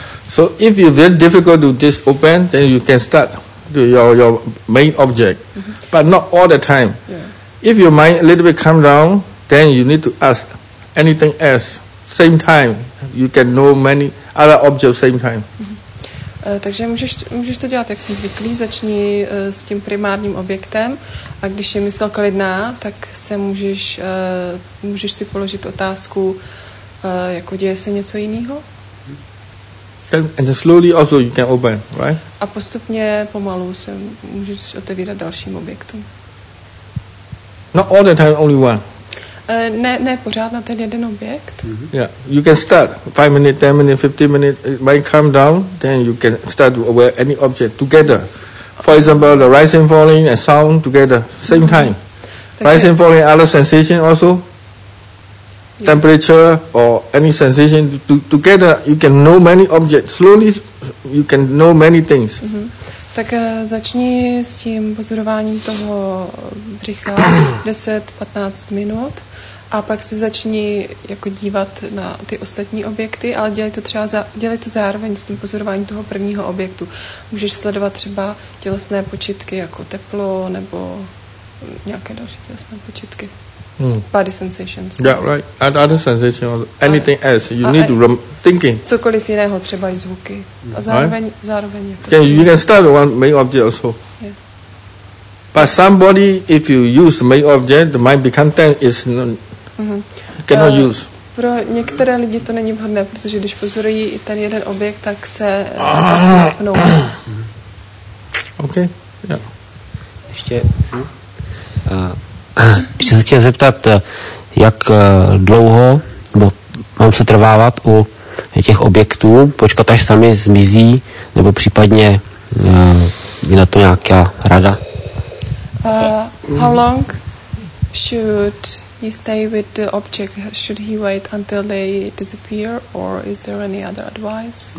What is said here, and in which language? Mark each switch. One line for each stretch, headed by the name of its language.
English: So if you very difficult to this open, then you can start to your main object, but not all the time. Yeah. If your mind a little bit calm down, then you need to ask anything else same time. You can know many other objects same time. Mm-hmm.
Czech: Takže můžeš to dělat, jak jsi zvyklý, začni s tím primárním objektem a když je mysl klidná, tak se můžeš si položit otázku, jako děje se něco jiného?
English: And then slowly also you can open, right?
Czech: A postupně pomalu se můžeš otevírat dalším objektům.
English: Not all the time, only one.
Czech: Ne pořád na ten jeden objekt.
English: Mm-hmm. Yeah, you can start 5 minutes, 10 minutes, 15 minutes. When calm down, then you can start to aware any object together. For example, the rising, falling, and sound together, same time. Mm-hmm. Rising, falling, other sensation also. Yeah. Temperature or any sensation together, you can know many objects. Slowly, you can know many things. Mm-hmm.
Czech: Tak začni s tím pozorováním toho břicha 10-15 minut. A pak si začni jako dívat na ty ostatní objekty, ale dělej to zároveň s tím pozorováním toho prvního objektu. Můžeš sledovat třeba tělesné počitky jako teplo nebo nějaké další tělesné počitky.
English: Hmm. Body sensations. Yeah, right. Other sensations, anything else. You need to thinking.
Czech: Cokoliv jiného, třeba i zvuky. A zároveň, right? Zároveň jako
English: can, you can start one main object also. But somebody, if you use main object, the mind become tense, is cannot use.
Czech: Pro některé lidi to není vhodné, protože když pozorují i ten jeden objekt, tak se napnou.
English: Okay, yeah.
Czech: Ještě se chtěl zeptat, jak dlouho mám se trvávat u těch objektů, počkat až sami zmizí, nebo případně je na to nějaká rada?
English: How long should he stay with the object? Should he wait until they disappear, or is there any other advice?